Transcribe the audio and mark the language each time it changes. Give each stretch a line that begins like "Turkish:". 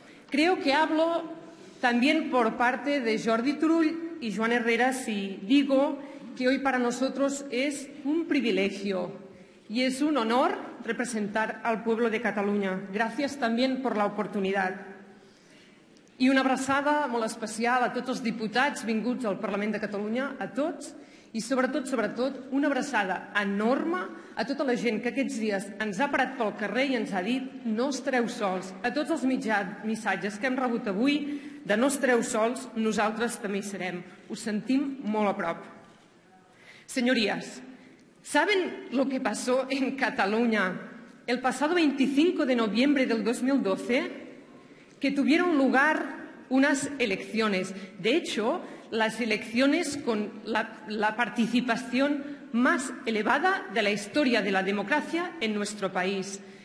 Spanish: Creo que hablo también por parte de Jordi Turull y Joan Herrera si digo que hoy para nosotros es un privilegio y es un honor representar al pueblo de Cataluña. Gracias también por la oportunidad.
Catalan: I una abraçada molt especial a tots els diputats vinguts al Parlament de Catalunya, a tots, i sobretot, una abraçada enorme a tota la gent que aquests dies ens ha parat pel carrer i ens ha dit no estareu sols. A tots els missatges que hem rebut avui de no estareu sols, nosaltres també hi serem. Us sentim molt a prop.
Spanish: Señorías, ¿saben lo que pasó en Cataluña el pasado 25 de noviembre del 2012? Que tuvieron lugar unas elecciones. De hecho, las elecciones con la participación más elevada de la historia de la democracia en nuestro país.